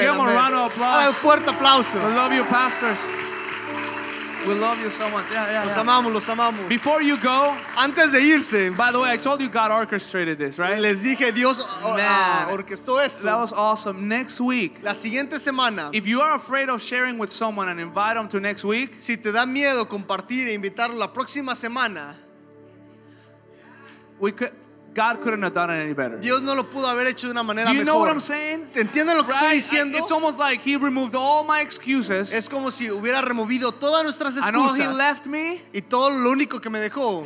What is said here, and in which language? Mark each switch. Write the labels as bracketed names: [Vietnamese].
[English] Give them a round of applause. [Spanish] Un fuerte aplauso. [English] We love you, pastors. We love you so much. Yeah. [Spanish] Los amamos. [English] Before you go, [Spanish] antes de irse, [English] by the way, I told you God orchestrated this, right? [Spanish] Les dije Dios orquestó esto. [English] That was awesome. Next week, [Spanish] la siguiente semana, [English] if you are afraid of sharing with someone and invite them to next week, [Spanish] si te da miedo compartir e invitarlo la próxima semana, [English] we could. God couldn't have done it any better. [Spanish] Dios no lo pudo haber hecho de una manera mejor. [English] Do you know what I'm saying? [Spanish] ¿Te entiendes lo que [English] right? [Spanish] estoy diciendo? [English] It's almost like he removed all my excuses. [Spanish] Es como si hubiera removido todas nuestras excusas. [English] And all he left me. [Spanish] Y todo lo único que me dejó.